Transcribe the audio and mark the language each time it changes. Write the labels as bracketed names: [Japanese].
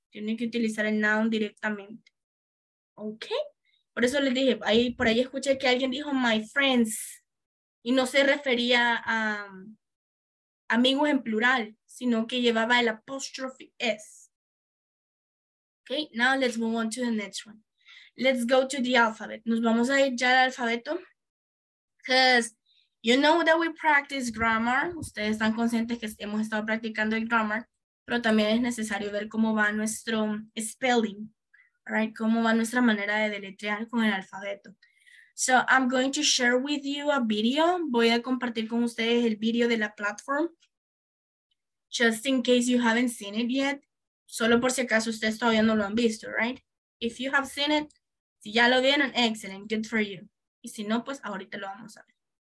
[Spanish] Tienen que utilizar el noun directamente. Ok. Por eso les dije, ahí, por ahí escuché que alguien dijo [English] my friends [Spanish] y no se refería a amigos en plural, sino que llevaba el apostrophe S. [English] Ok, now let's move on to the next one. Let's go to the alphabet. [Spanish] Nos vamos a ir ya al alfabeto. [English] Because you know that we practice grammar. [Spanish] Ustedes están conscientes que hemos estado practicando el grammar, pero también es necesario ver cómo va nuestro spelling. Right, cómo va nuestra manera de deletrear con el alfabeto. [English] So I'm going to share with you a video. [Spanish] Voy a compartir con ustedes el video de la platform. [English] Just in case you haven't seen it yet. [Spanish] Solo por si acaso ustedes todavía no lo han visto, right? [English] If you have seen it, [Spanish] si ya lo vieron, [English] excellent, good for you. [Spanish] Y si no, pues ahorita lo vamos a ver.